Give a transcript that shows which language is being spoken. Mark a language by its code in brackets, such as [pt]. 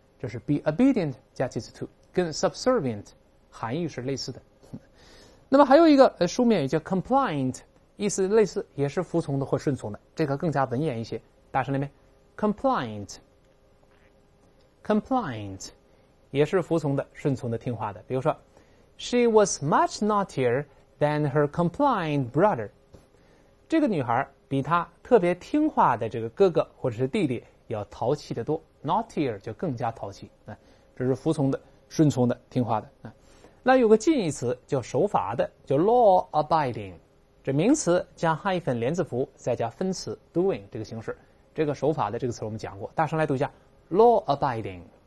[zh] 这是 be obedient 加介词 to， 跟 subservient 含义是类似的。那么还有一个书面语叫 compliant， 意思类似，也是服从的或顺从的，这个更加文言一些，大声点呗。 [en] Compliant [zh] 也是服从的顺从的听话的。比如说 [en] She was much naughtier than her compliant brother， [zh] 这个女孩比她特别听话的这个哥哥或者是弟弟要淘气的多。 Naughtier 就更加淘气，这是服从的顺从的听话的。那有个近义词叫守法的，叫 law abiding，这名词加 hyphen 连字符，再加分词 doing 这个形式，这个守法的这个词我们讲过，大声来读一下 law abiding，